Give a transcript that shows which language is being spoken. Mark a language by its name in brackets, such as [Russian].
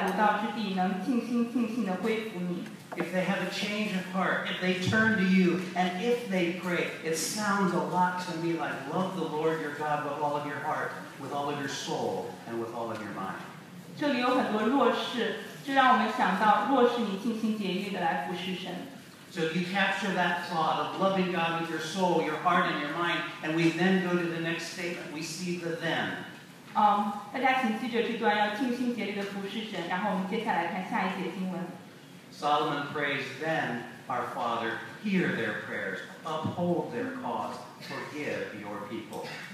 [Chinese] 列王记上第八章47节中说到，他们若在鲁道之地想起罪来，48节说到，他们若在鲁道之地能尽心尽性的归服你。 [English] If they have a change of heart, if they turn to you, and if they pray, it sounds a lot to me like love the Lord your God with all of your heart, with all of your soul, and with all of your mind. [Chinese] 这里有很多若是，这让我们想到，若是你尽心竭力的来服侍神。 [English] So if you capture that thought of loving God with your soul, your heart, and your mind, and we then go to the next statement, we see the then. [Chinese] 大家请记着这段，要尽心竭力地服侍神，然后我们接下来看下一节经文。 [English] Solomon prays, Then, our Father, hear their prayers, uphold their cause, forgive your people.